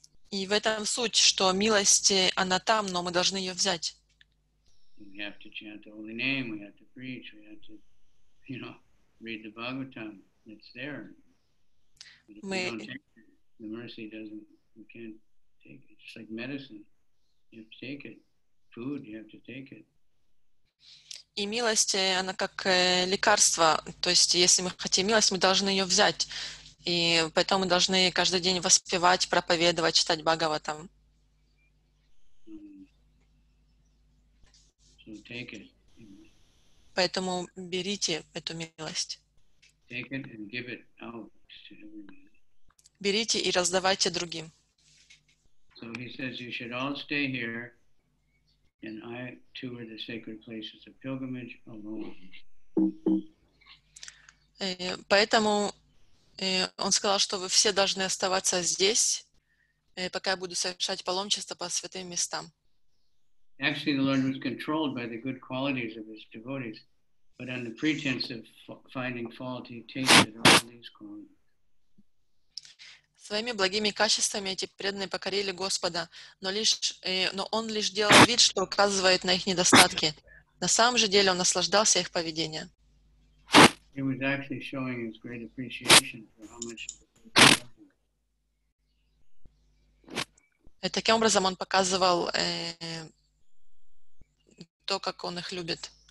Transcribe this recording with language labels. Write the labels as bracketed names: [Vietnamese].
[Russian] И в этом суть, что милость, она там, но мы должны ее взять. [English] We have to chant the holy name, we have to preach, we have to, you know, read the Bhagavatam. It's there. But the mercy doesn't, you can't take it. It's just like medicine. You have to take it. Food, you have to take it. [Russian] И милость, она как лекарство. То есть, если мы хотим милость, мы должны ее взять. И поэтому мы должны каждый день воспевать, проповедовать, читать Бхагаватам. [English] Take it. [Russian] Поэтому берите эту милость. [English] Take it and give it out to everybody. [Russian] Берите и раздавайте другим. [English] So he says you should all stay here and I tour the sacred places of pilgrimage alone. [Russian] Поэтому он сказал, что вы все должны оставаться здесь, пока я буду совершать паломничество по святым местам. [English] Actually, the Lord was controlled by the good qualities of his devotees, but on the pretense of finding fault, he tasted all these qualities. [Russian] Своими благими качествами эти преданные покорили Господа, но он лишь делал вид, что указывает на их недостатки. На самом же деле он наслаждался их поведением. [English] He was actually showing his great appreciation for how much. [Russian] Таким образом он показывал то, как он их любит.